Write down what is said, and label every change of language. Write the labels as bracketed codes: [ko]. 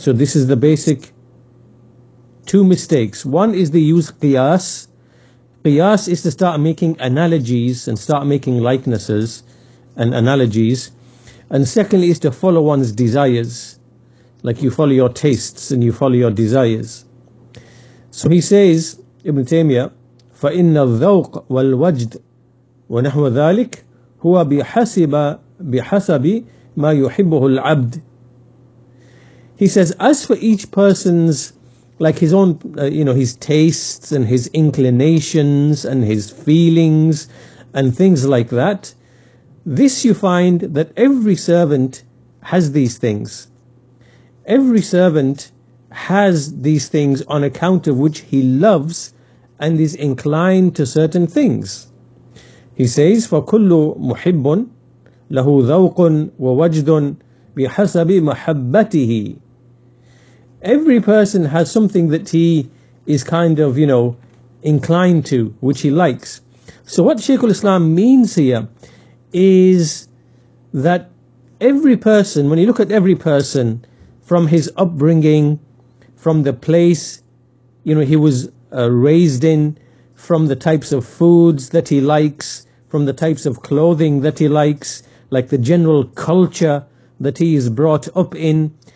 [en] So this is the basic two mistakes. One is they use qiyas. Qiyas is to start making analogies and start making likenesses and analogies. And secondly is to follow one's desires. Like you follow your tastes and you follow your desires. So he says, Ibn Taymiyyah, [ar] فَإِنَّ الذَّوْقَ وَالْوَجْدَ وَنَحْوَ ذَلِكَ هُوَ بِحَسَبِ مَا يُحِبُّهُ الْعَبْدِ. [en] He says, as for each person's, like his own, his tastes and his inclinations and his feelings and things like that, this you find that every servant has these things. Every servant has these things on account of which he loves and is inclined to certain things. He says, [ar] فَكُلُّ مُحِبٌ لَهُ ذَوْقٌ وَوَجْدٌ بِحَسَبِ مَحَبَّتِهِ. [en] Every person has something that he is kind of, inclined to, which he likes. So what Shaykh al-Islam means here is that every person, when you look at every person, from his upbringing, from the place, he was raised in, from the types of foods that he likes, from the types of clothing that he likes, like the general culture that he is brought up in.